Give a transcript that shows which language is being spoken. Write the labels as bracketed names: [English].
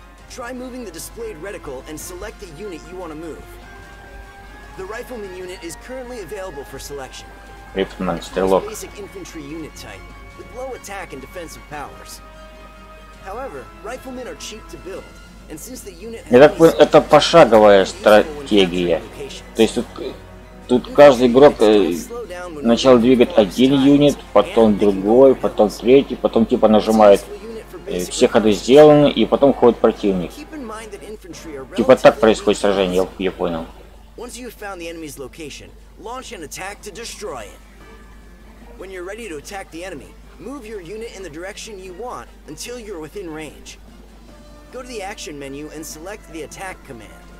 [English] Try moving the displayed reticle and select the unit you want to move. The rifleman unit is currently available for selection. It's a basic infantry unit type, with low attack and defensive powers. However, riflemen are cheap to build, and since the unit has... [Russian] Итак, это пошаговая стратегия. То есть тут каждый игрок сначала двигает один юнит, потом другой, потом третий, потом типа нажимает все ходы сделаны, и потом ходит противник. Типа так происходит сражение, я понял. [English] Once you've found the enemy's location, launch an attack to destroy it. When you're ready to attack the enemy, move your unit in the direction you want until you're within range. Go to the action menu and select the attack command.